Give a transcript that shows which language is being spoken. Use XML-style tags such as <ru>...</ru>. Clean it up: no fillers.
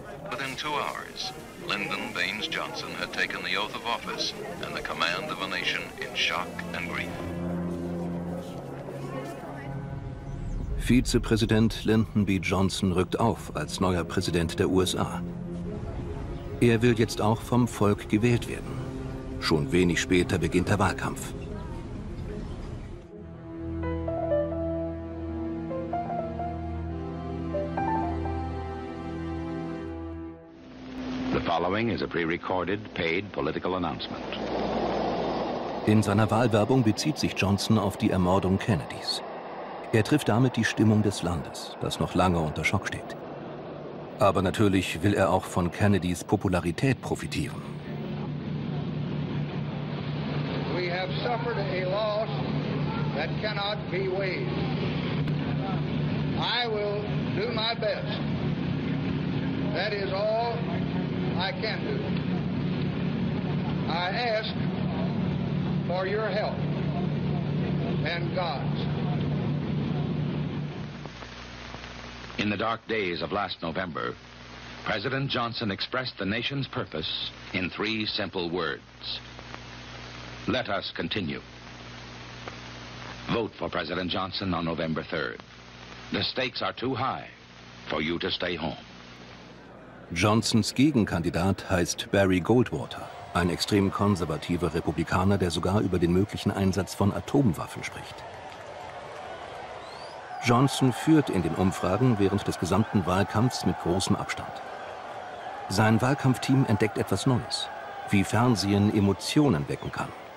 <en>Within 2 hours, Lyndon Baines Johnson had taken the oath of office and the command of a nation in shock and grief.</en> <de>Vizepräsident Lyndon B. Johnson rückt auf als neuer Präsident der USA. Er will jetzt auch vom Volk gewählt werden. Schon wenig später beginnt der Wahlkampf.</de> <en>The following is a pre-recorded, paid political announcement.</en> <de>In seiner Wahlwerbung bezieht sich Johnson auf die Ermordung Kennedys. Er trifft damit die Stimmung des Landes, das noch lange unter Schock steht. Aber natürlich will er auch von Kennedys Popularität profitieren.</de> <en>We have suffered a loss that cannot be waived. I will do my best. That is all I can do. I ask for your help and God's. In the dark days of last November, President Johnson expressed the nation's purpose in 3 simple words. Let us continue. Vote for President Johnson on November 3rd. The stakes are too high for you to stay home.</en> <de>Johnsons Gegenkandidat heißt Barry Goldwater. ein extrem konservativer Republikaner, der sogar über den möglichen Einsatz von Atomwaffen spricht. Johnson führt in den Umfragen während des gesamten Wahlkampfs mit großem Abstand. Sein Wahlkampfteam entdeckt etwas Neues, wie Fernsehen Emotionen wecken kann.</de>